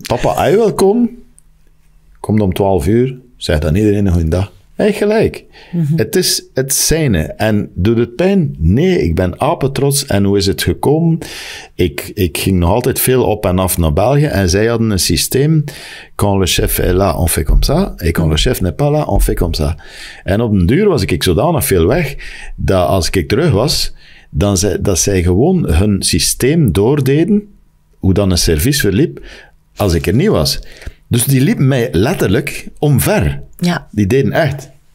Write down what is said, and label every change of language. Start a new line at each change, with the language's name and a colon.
Dutch: Papa, hij wil komen. Komt om 12 uur. Zegt dan iedereen een goede dag. Hij gelijk. Mm-hmm. Het is het zijne. En doet het pijn? Nee, ik ben apentrots. En hoe is het gekomen? Ik ging nog altijd veel op en af naar België. En zij hadden een systeem.
French: Quand le chef est là, on fait comme ça. Et quand le chef n'est pas là, on fait comme ça.
Dutch: En op den duur was ik zodanig veel weg, dat als ik terug was... dat zij gewoon hun systeem doordeden, hoe dan een service verliep, als ik er niet was. Dus die liepen mij letterlijk omver. Ja. Die deden echt.